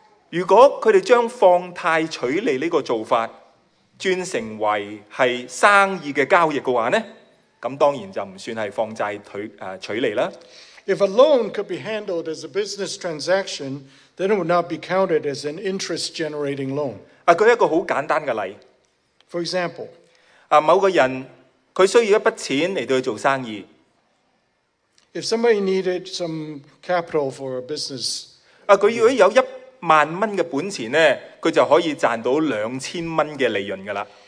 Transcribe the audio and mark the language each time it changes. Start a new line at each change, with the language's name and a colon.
Cantonese: 如果佢哋将放贷取利呢个做法转成为系生意嘅交易嘅话呢，咁当然就唔算系放债取利啦。
English: If a loan could be handled as a business transaction, then it would not be counted as an interest-generating loan.
Cantonese: 举一个好简单嘅例。
English: For example,
Cantonese: 某个人佢需要一笔钱嚟到去做生意。
English: If somebody needed some capital for a business,
Cantonese: 佢如果有10,000元嘅本钱咧，佢就可以赚到2,000元嘅利润噶啦。